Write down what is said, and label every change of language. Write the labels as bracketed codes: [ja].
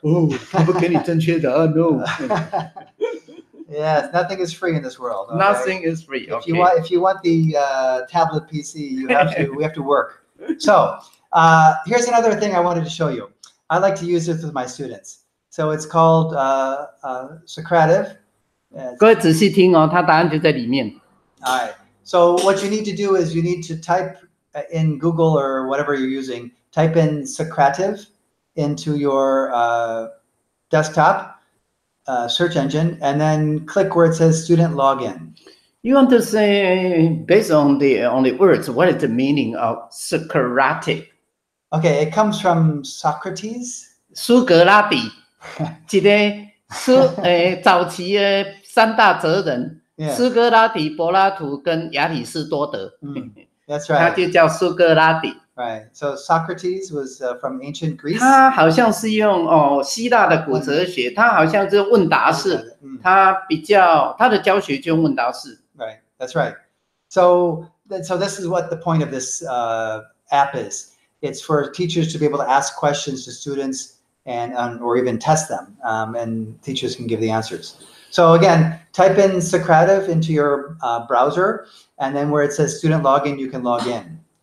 [zh] Oh, 不给你正确的啊 ， [en] No. Yes, nothing is free in this world. Okay? Nothing is free. If you want, the tablet PC, you have to. We have to work. So, here's another thing I wanted to show you. I like to use this with my students. So it's called Socrative. [zh] 各位仔细听哦，它答案就在里面。 [en] All right. So what you need to do is you need to type in Google or whatever you're using. Type in Socrative into your desktop. Search engine, and then click where it says student login. You want to say, based on the words, what is the meaning of Socratic? Okay, it comes from Socrates. [zh] 苏格拉底，一个苏诶早期的三大哲人，苏格拉底、柏拉图跟亚里士多德。 [en] That's right. [zh] 他就叫苏格拉底。 [en] Right, so Socrates was from ancient Greece. [zh] 他好像是用哦希腊的古哲学，他好像是问答式，他比较他的教学就用问答式。 [en] Right, that's right. So this is what the point of this app is. It's for teachers to be able to ask questions to students or even test them, and teachers can give the answers. So again, type in Socrative into your browser, and then where it says student login, you can log in.